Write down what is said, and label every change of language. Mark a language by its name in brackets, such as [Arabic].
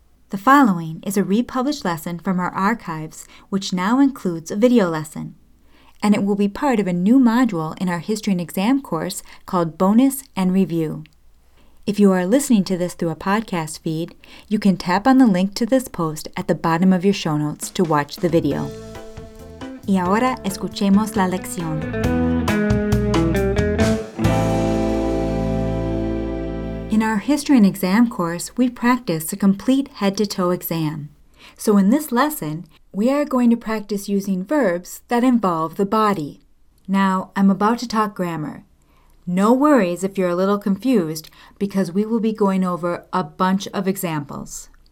[English] The following is a republished lesson from our archives, which now includes a video lesson, and it will be part of a new module in our History and Exam course called Bonus and Review. If you are listening to this through a podcast feed, you can tap on the link to this post at the bottom of your show notes to watch the video. [Spanish] Y ahora escuchemos la lección. [English] In our History and Exam course, we practice a complete head-to-toe exam. So in this lesson, we are going to practice using verbs that involve the body. Now, I'm about to talk grammar. No worries if you're a little confused, because we will be going over a bunch of examples.